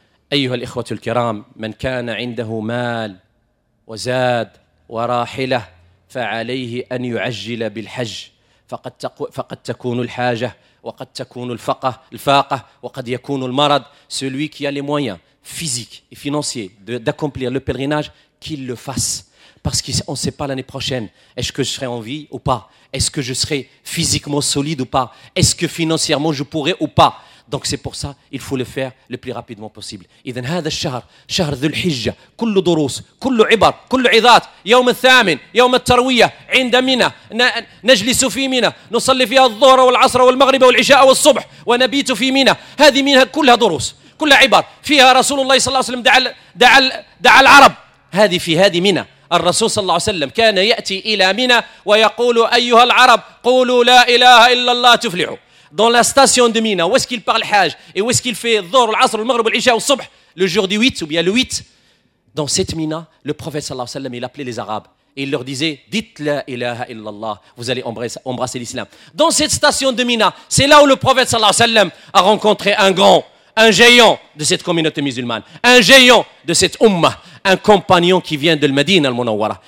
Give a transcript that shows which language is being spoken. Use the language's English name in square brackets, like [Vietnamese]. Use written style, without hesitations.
[Arabic] Ayyuha al ikhwatu al kiram, man kana 'indahu mal wa zad wa rahilah فعليه أن يعجل بالحج، فقد تكون الحاجة وقد تكون الفاقة وقد يكون المرض. [French] Celui qui a les moyens physiques et financiers d'accomplir le pèlerinage, qu'il le fasse. Parce qu'on ne sait pas l'année prochaine, est-ce que je serai en vie ou pas? Est-ce que je serai physiquement solide ou pas? Est-ce que financièrement je pourrai ou pas? Donc c'est pour ça il faut le faire le plus rapidement possible. [Arabic] إذن هذا الشهر شهر ذو الحجة كل دروس كل عبر كل عظات يوم الثامن يوم التروية عند منى نجلس في منى نصلي فيها الظهر والعصر والمغرب والعشاء والصبح ونبيت في منى. هذه منها كلها دروس كلها عبر فيها رسول الله صلى الله عليه وسلم دعا العرب. هذه منى الرسول صلى الله عليه وسلم كان يأتي إلى منى ويقول: أيها العرب قولوا لا إله إلا الله تفلحوا. [French] Dans la station de Mina, où est-ce qu'il parle Hajj et où est-ce qu'il fait Dhuhr, l'Asr, le Maghrib, l'Isha, le Subh, le jour du 8 ou bien le 8, dans cette Mina, le prophète sallallahu alayhi wa sallam, il appelait les Arabes et il leur disait: dites la ilaha illallah, vous allez embrasser l'islam. Dans cette station de Mina, c'est là où le prophète sallallahu alayhi wa sallam a rencontré un grand, un géant de cette communauté musulmane, un géant de cette Ummah, un compagnon qui vient de Medina al-Munawwara.